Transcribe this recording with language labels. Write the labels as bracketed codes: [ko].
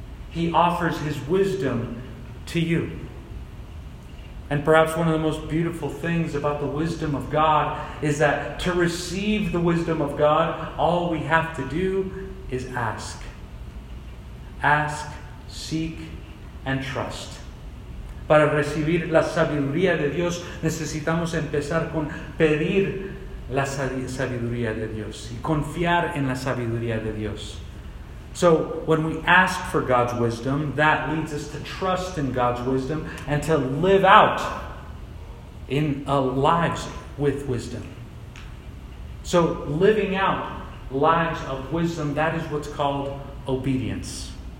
[en] He offers His wisdom to you. And perhaps one of the most beautiful things about the wisdom of God is that to receive the wisdom of God, all we have to do is ask. Ask, seek, and trust. [es] Para recibir la sabiduría de Dios, necesitamos empezar con pedir la sabiduría de Dios y confiar en la sabiduría de Dios. [en] So when we ask for God's wisdom, that leads us to trust in God's wisdom and to live out in our lives with wisdom. So living out lives of wisdom, that is what's called obedience.